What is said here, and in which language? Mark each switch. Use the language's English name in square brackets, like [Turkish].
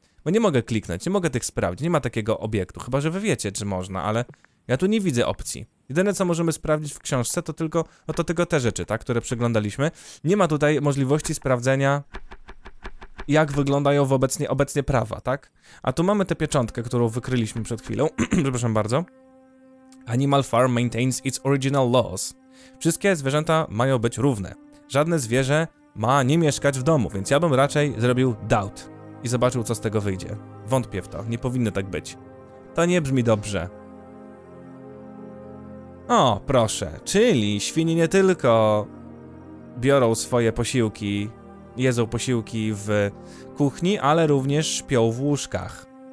[Polish] Bo nie mogę kliknąć, nie mogę tych sprawdzić, nie ma takiego obiektu. Chyba, że wy wiecie, czy można, ale ja tu nie widzę opcji. Jedyne, co możemy sprawdzić w książce, to tylko, no to tylko te rzeczy, tak, które przeglądaliśmy. Nie ma tutaj możliwości sprawdzenia, jak wyglądają obecnie prawa, tak? A tu mamy tę pieczątkę, którą wykryliśmy przed chwilą. Przepraszam bardzo. [English] Animal Farm maintains its original laws. [Polish] Wszystkie zwierzęta mają być równe. Żadne zwierzę ma nie mieszkać w domu, więc ja bym raczej zrobił doubt i zobaczył, co z tego wyjdzie. Wątpię w to. Nie powinno tak być. To nie brzmi dobrze. O, proszę. Czyli świnie nie tylko biorą swoje posiłki, jedzą posiłki w kuchni, ale również śpią w łóżkach.